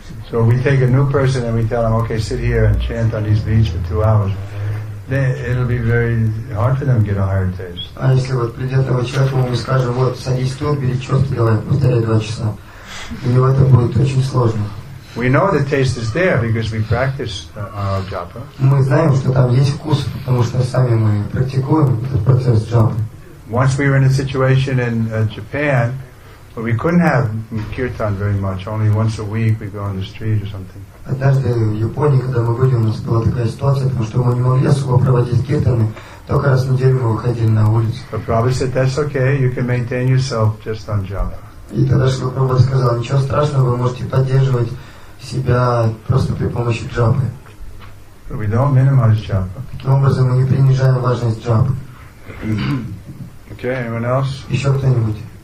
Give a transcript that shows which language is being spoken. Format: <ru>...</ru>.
<en>So we take a new person and we tell them, okay, sit here and chant on these beads for 2 hours. Then it'll be very hard for them to get a higher taste.</en> <ru>А если вот придет новый человек, мы скажем, вот садись тут, бери чёрт, давай повторяй 2 часа. У него это будет очень сложно.</ru> <en>We know the taste is there because we practice our japa.</en> <ru>Мы знаем, что там есть вкус, потому что сами мы практикуем этот процесс джапы.</ru> <en>Once we were in a situation in Japan where we couldn't have kirtan very much, only once a week we go on the street or something.</en> <ru>Однажды в Японии, когда мы были, у нас была такая ситуация, потому что мы не могли особо проводить киртаны, только раз в неделю мы выходили на улицу.</ru> <en>But Prabhupada said, that's okay, you can maintain yourself just on japa.</en> <ru>И тогда Шрила Прабхупада сказал, ничего страшного, вы можете поддерживать себя просто при помощи джапы.</ru> <en>We don't minimize japa.</en> <ru>Таким образом, мы не принижаем важность джапы.</ru> <en>Okay, anyone else?</en> <ru>Еще кто-нибудь?</ru>